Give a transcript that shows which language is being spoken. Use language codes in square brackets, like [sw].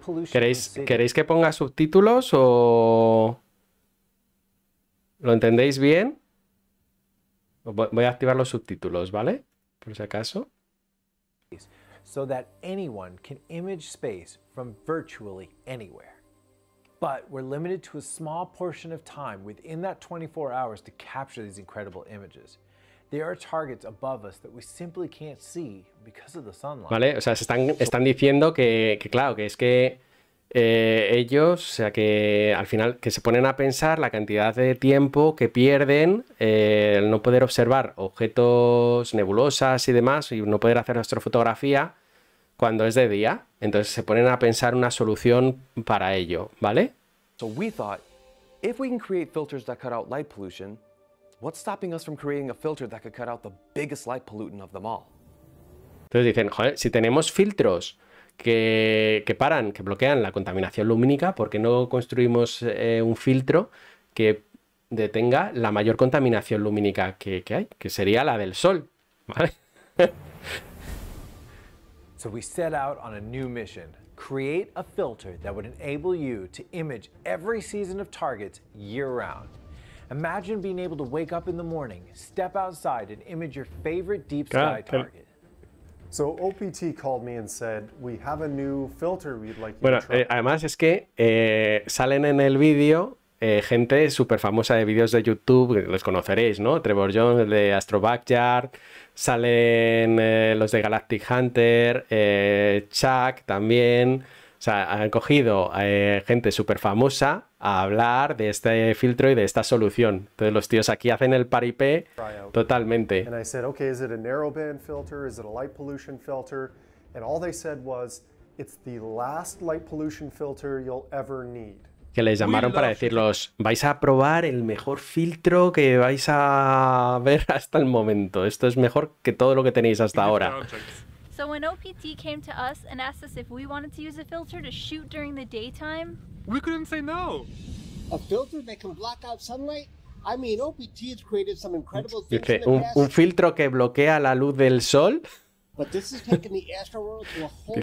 [es] ¿Queréis que ponga subtítulos o lo entendéis bien? Voy a activar los subtítulos, ¿vale? Por si acaso. [en] So that anyone can image space from virtually anywhere. But we're limited to a small portion of time within that 24 hours to capture these incredible images. There are targets above us that we simply can't see because of the sunlight. [es] Vale, o sea, están diciendo que claro, que es que ellos, o sea, que al final que se ponen a pensar la cantidad de tiempo que pierden el no poder observar objetos, nebulosas y demás, y no poder hacer astrofotografía cuando es de día. Entonces se ponen a pensar una solución para ello, ¿vale? [en] So we thought, if we can create filters that cut out light pollution, what's stopping us from creating a filter that could cut out the biggest light pollutant of them all? [es] Entonces dicen, joder, si tenemos filtros que paran, que bloquean la contaminación lumínica, ¿por qué no construimos un filtro que detenga la mayor contaminación lumínica que hay? Que sería la del sol, ¿vale? [en] So we set out on a new mission. Create a filter that would enable you to image every season of targets year round. Imagine being able to wake up in the morning, step outside and image your favorite deep sky target. So OPT called me and said, we have a new filter we'd like you [es] bueno, [en] to try. [es] Bueno, además es que salen en el vídeo gente súper famosa de vídeos de YouTube, los conoceréis, ¿no? Trevor Jones, el de Astro Backyard, salen los de Galactic Hunter, Chuck también. O sea, han cogido gente súper famosa a hablar de este filtro y de esta solución. Entonces los tíos aquí hacen el paripé totalmente. [en] And I said, okay, is it a narrow band filter? Is it a light pollution filter? And all they said was, it's the last light pollution filter you'll ever need. [es] Que les llamaron para decirlos, vais a probar el mejor filtro que vais a ver hasta el momento. Esto es mejor que todo lo que tenéis hasta ahora. [en] So when OPT came to us and asked us if we wanted to use a filter to shoot during the daytime, we couldn't say no. A filter that can block out sunlight? I mean, OPT has created some incredible things. [es] Dice, un filtro que bloquea la luz del sol. [en] But this is taking the astro world to a whole